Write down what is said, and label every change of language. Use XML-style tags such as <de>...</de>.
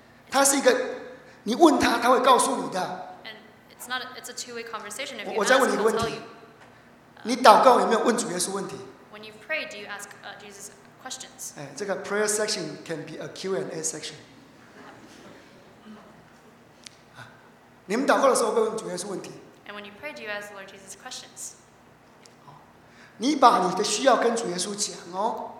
<zh>它是一个你问他，他会告诉你的。</zh> <en>And it's not it's a two-way conversation. If you</en> <zh>我再问你一个问题。你祷告有没有问主耶稣问题？</zh> <en>When you pray, do you ask Jesus questions?</en> <zh>哎，这个</zh> <en>prayer section can be a Q&A section.</en> <zh>你们祷告的时候会问主耶稣问题？</zh> <en>And when you pray, do you ask the Lord Jesus questions?</en> <zh>你把你的需要跟主耶稣讲哦。</zh>